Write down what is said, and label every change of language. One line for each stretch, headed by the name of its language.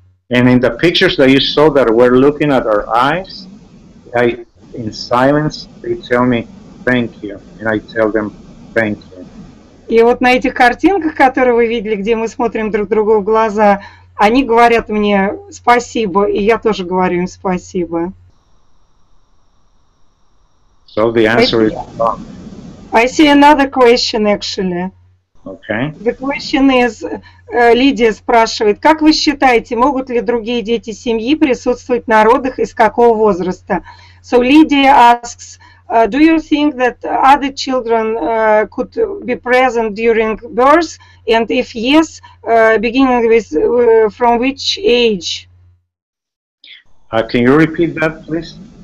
English: And in the pictures that you saw that were looking at our eyes, in silence, they tell me thank you, and I tell them thank you.
Russian: И вот на этих картинках, которые вы видели, где мы смотрим друг другу в глаза, они говорят мне спасибо, и я тоже говорю им спасибо.
English: So the answer is I see another question, actually. Okay. The question is,
Russian: Лидия спрашивает, как вы считаете, могут ли другие дети семьи присутствовать на родах и с какого возраста?
English: So Lydia asks, do you think that other children could be present during birth? And if yes, beginning with from which age? Can you repeat that, please?